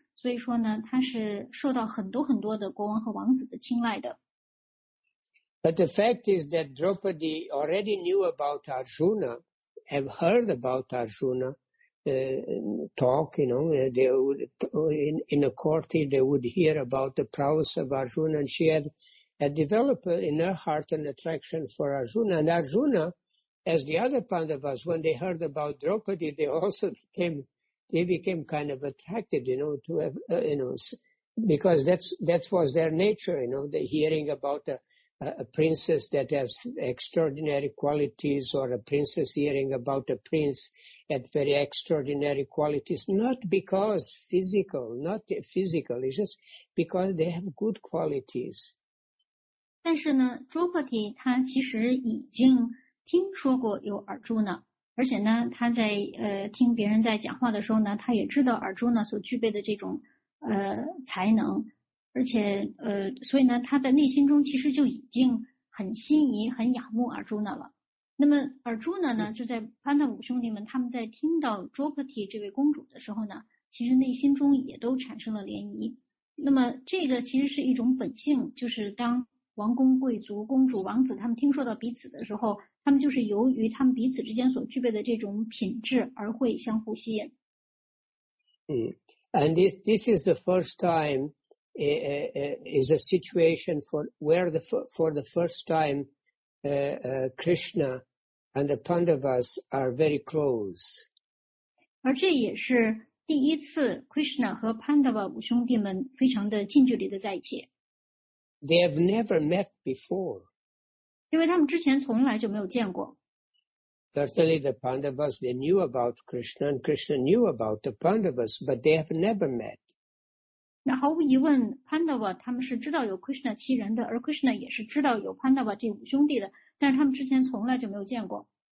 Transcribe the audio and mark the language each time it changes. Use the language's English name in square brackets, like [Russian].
[Chinese] 所以说呢，他是受到很多很多的国王和王子的青睐的。 [English] But the fact is that Draupadi already knew about Arjuna, have heard about Arjuna, talk, you know, they would, in a court, they would hear about the prowess of Arjuna, and she had developed in her heart an attraction for Arjuna. And Arjuna, as the other Pandavas, when they heard about Draupadi, they also became kind of attracted, you know, to have, you know, because that was their nature, you know, the hearing about a, a princess that has extraordinary qualities, or a princess hearing about a prince at very extraordinary qualities, not because physical, not physical, it's just because they have good qualities. [Chinese] 但是呢，朱克提他其实已经听说过有耳珠呢，而且呢，他在听别人在讲话的时候呢，他也知道耳珠呢所具备的这种才能，而且所以呢，他在内心中其实就已经很心仪、很仰慕耳珠呢了。那么耳珠呢，就在潘纳武兄弟们他们在听到朱克提这位公主的时候呢，其实内心中也都产生了涟漪。那么这个其实是一种本性，就是当王公贵族、公主、王子他们听说到彼此的时候，他们就是由于他们彼此之间所具备的这种品质而会相互吸引。 [English] And this is the first time, is a situation for the first time, Krishna and the Pandavas are very close. [Chinese] 而这也是第一次 Krishna 和 Pandava 五兄弟们非常的近距离的在一起。 [English] They have never met before. [Chinese] 因为他们之前从来就没有见过。 [English] Certainly the Pandavas, they knew about Krishna, and Krishna knew about the Pandavas, but they have never met. [Chinese] 那毫无疑问 ,Pandava 他们是知道有 Krishna 七人的，而 Krishna 也是知道有 Pandava 这五兄弟的，但是他们之前从来就没有见过。